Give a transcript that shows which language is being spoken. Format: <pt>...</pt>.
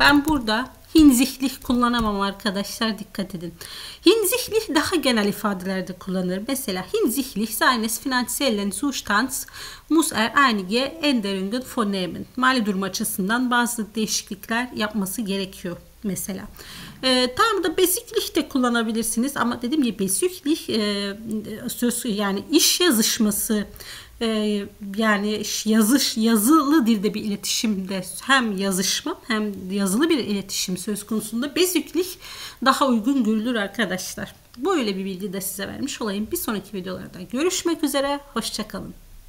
<tr>Ben burada hinzihlih kullanamam arkadaşlar, dikkat edin. Hinzihlih daha genel ifadelerde kullanılır. Mesela</tr> <de>hinzihlih seines finanziellen Zustands muss er einige Änderungen vornehmen.</de> <tr>Mali durum açısından bazı değişiklikler yapması gerekiyor mesela. Tam da besiklih de kullanabilirsiniz ama dediğim gibi besiklih söz, yani iş yazışması, yani yazılı dilde bir iletişimde hem yazışma hem yazılı bir iletişim söz konusunda besüklik daha uygun görülür arkadaşlar. Böyle bir bilgi de size vermiş olayım. Bir sonraki videolarda görüşmek üzere. Hoşça kalın.</tr>